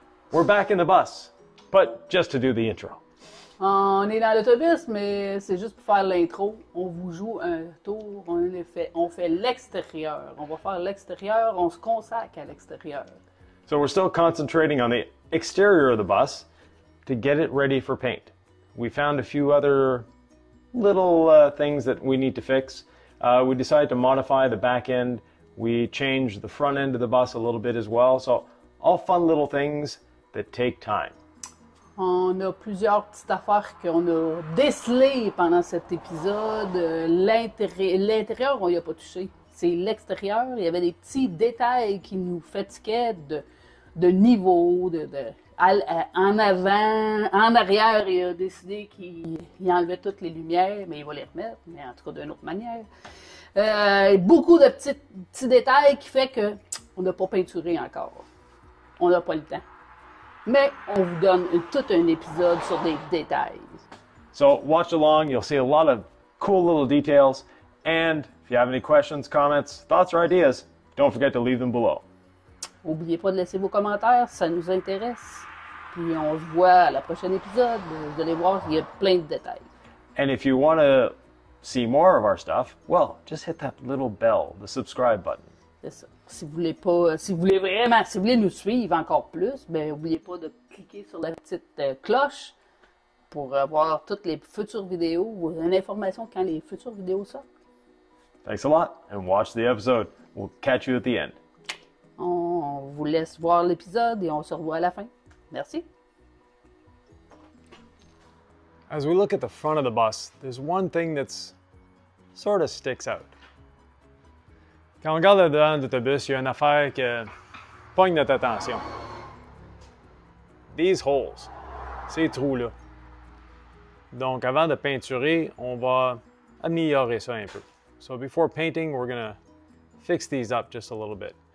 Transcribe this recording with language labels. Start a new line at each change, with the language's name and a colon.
English: We're back in the bus, but just to do the intro.
French: On est dans l'autobus, mais c'est juste pour faire l'intro. On vous joue un tour, on fait l'extérieur. On va faire l'extérieur, on se consacre à l'extérieur.
English: So we're still concentrating on the exterior of the bus to get it ready for paint. We found a few other little things that we need to fix. We decided to modify the back end. We changed the front end of the bus a little bit as well. So all fun little things that take time.
French: On a plusieurs petites affaires qu'on a décelées pendant cet épisode. L'intérieur, on n'y a pas touché. C'est l'extérieur. Il y avait des petits détails qui nous fatiguaient de niveau, en avant, en arrière. Il a décidé qu'il enlevait toutes les lumières, mais il va les remettre, mais en tout cas d'une autre manière. Beaucoup de petits détails qui fait qu'on n'a pas peinturé encore. On n'a pas le temps. Mais on vous donne tout un épisode sur des détails.
English: So watch along, you'll see a lot of cool little details. And if you have any questions, comments, thoughts or ideas, don't forget to leave them below.
French: N'oubliez pas de laisser vos commentaires, ça nous intéresse. Puis on se voit à la prochaine épisode. Vous allez voir, il y a plein de détails.
English: And if you want to see more of our stuff, well, just hit that little bell, the subscribe button.
French: C'est ça. Si vous voulez nous suivre encore plus, ben n'oubliez pas de cliquer sur la petite cloche pour voir toutes les futures vidéos ou l'information quand les futures vidéos sortent.
English: Thanks a lot and watch the episode. We'll catch you at the end.
French: On vous laisse voir l'épisode et on se revoit à la fin. Merci.
English: As we look at the front of the bus, there's one thing that's sort of sticks out.
French: Quand on regarde le devant de ton bus, il y a une affaire qui pogne notre attention.
English: These holes,
French: ces trous-là. Donc avant de peinturer, on va améliorer ça un peu.
English: So before painting, we're gonna fix these up just a little bit.